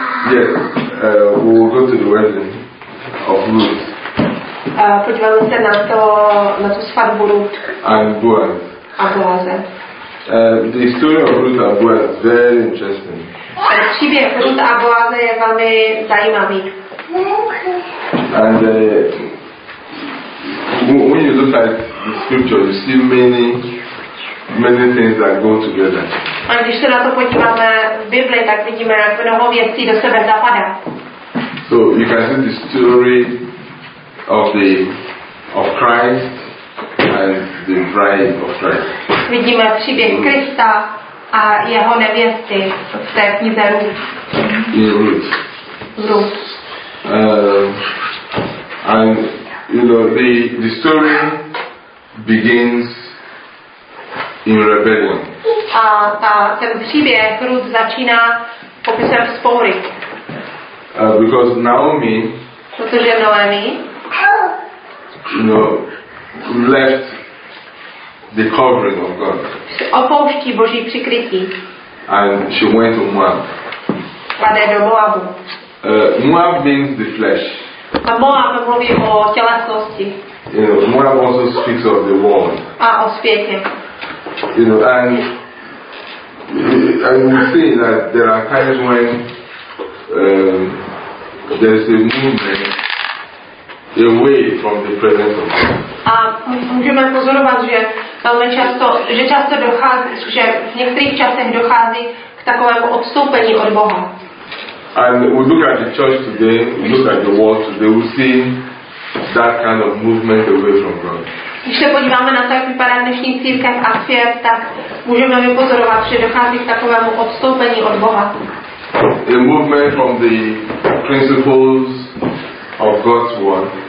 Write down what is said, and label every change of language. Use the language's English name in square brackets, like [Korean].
[English] Yeah, we'll go to the wedding of Ruth. [Czech] Podíváme se na tu svatbu Ruth. [English] And Boaz. [Czech] A Boaz. [English] The story of Ruth and Boaz is very interesting. [Czech] Příběh Ruth a Boaz je velmi zajímavý. [English] And when you look at the scripture, you see many things that go together. [Czech] A když se na to podíváme v Bibli, tak vidíme, jak mnoho věcí do sebe zapadá. [English] So you can see the story of Christ and the bride of Christ. [Czech] Vidíme příběh Krista a jeho nevěsty v té knize [English] Ruth. In Ruth. And you know, the story begins in rebellion. [Czech] A ten příběh Ruth začíná popisem vzpoury. [English] Because Naomi, [Czech] protože Naomi, [English] left the covering of God. [Czech] Opouští Boží přikrytí. [English] And she went to Moab. [Czech] A jde do Moabu. [English] Moab means the flesh. [Czech] A Moab mluví o tělesnosti. [English] You know, Moab also speaks of the woman. [Czech] A o světě. [English] You know, and we see that there are times when there is a movement away from the presence of God. [Czech] A můžeme pozorovat, že velmi často, že často dochází, že v některých časech dochází k takovému odstoupení od Boha. [English] And we look at the church today, we look at the world today, we see that kind of movement away from God. [Czech] Když se podíváme na to, jak vypadá dnešní církev a svět, tak můžeme vypozorovat, že dochází k takovému odstoupení od Boha. [English] A movement from the principles of God's word.